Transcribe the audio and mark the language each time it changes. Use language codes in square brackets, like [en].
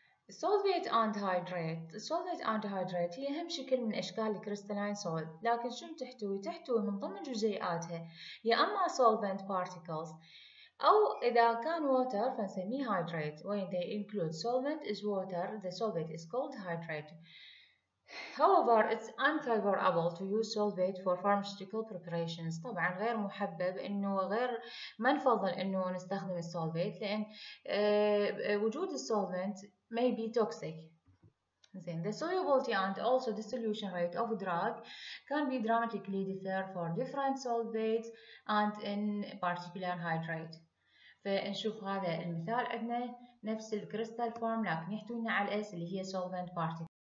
[en] Solvate and hydrate. Solvate and hydrate [ar] هي أهم شكل من أشكال الكريستالين سوليد، لكن شنو تحتوي؟ تحتوي من ضمن جزيئاتها يا أما solvent particles أو إذا كان water فنسميه hydrate. [en] When they include solvent is water, the solvate is called hydrate. However, it's unfavorable to use solvate for pharmaceutical preparations. [ar] طبعا غير محبب انه غير ما نفضل انه نستخدم السولفيت، لان وجود السولفنت [en] may be toxic. زين، the solubility and also dissolution rate of drug can be dramatically differ for different solvates and in particular hydrate. [ar] فنشوف هذا المثال عندنا نفس الكريستال فورم لكن يحتوينا على الاس اللي هي solvent particle.